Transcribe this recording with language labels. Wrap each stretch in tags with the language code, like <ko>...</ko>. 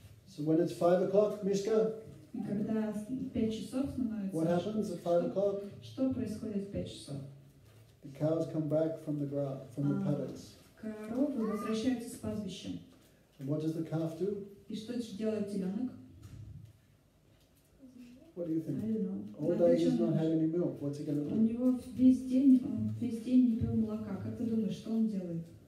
<en>So when it's 5 o'clock, Мишка?</en> <ru>И когда 5 часов становится.</ru> <en>What happens at 5 o'clock?</en> <ru>Что происходит в 5 часов?</ru> <en>The cows come back from the grass, from the paddocks.</en> <ru>Коровы возвращаются с пастбища.</ru> <en>And what does the calf do?</en> <ru>И что же делает теленок?</ru> <en>What do you think? I don't know. All day he's not had any milk. What's he going to do?</en> <ru>У него весь день не пил молока. Как ты думаешь, что он делает?</ru>